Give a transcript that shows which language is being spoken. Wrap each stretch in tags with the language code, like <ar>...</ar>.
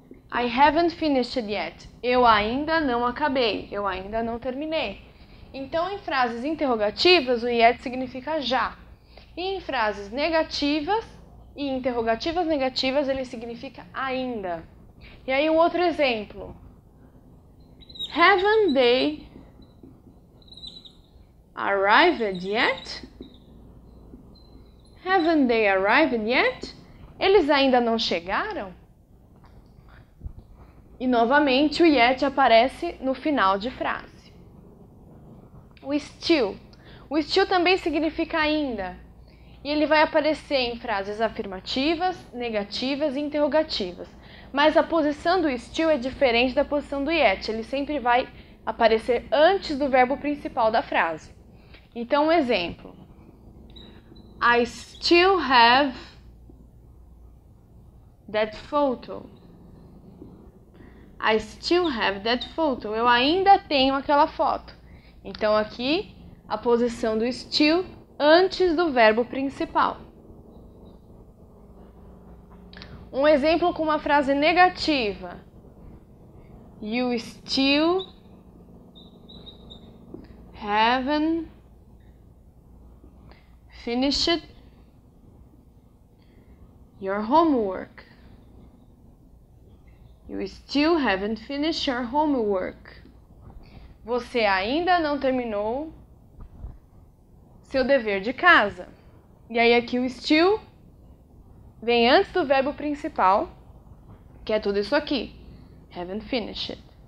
<en>I haven't finished yet.</en> <pt>Eu ainda não acabei. Eu ainda não terminei. Então, em frases interrogativas, o yet significa já. E em frases negativas e interrogativas negativas, ele significa ainda. E aí, um outro exemplo.</pt> <en>Haven't they arrived yet? Haven't they arrived yet?</en> <pt>Eles ainda não chegaram? E novamente, o yet aparece no final de frase. O still. O still também significa ainda. E ele vai aparecer em frases afirmativas, negativas e interrogativas. Mas a posição do still é diferente da posição do yet. Ele sempre vai aparecer antes do verbo principal da frase. Então, um exemplo.</pt> <en>I still have that photo. I still have that photo.</en> <pt>Eu ainda tenho aquela foto. Então, aqui, a posição do still antes do verbo principal. Um exemplo com uma frase negativa.</pt> <en>You still haven't finished your homework. You still haven't finished your homework.</en> <pt>Você ainda não terminou seu dever de casa. E aí aqui o still vem antes do verbo principal, que é tudo isso aqui.</pt> <en>Haven't finished.</en>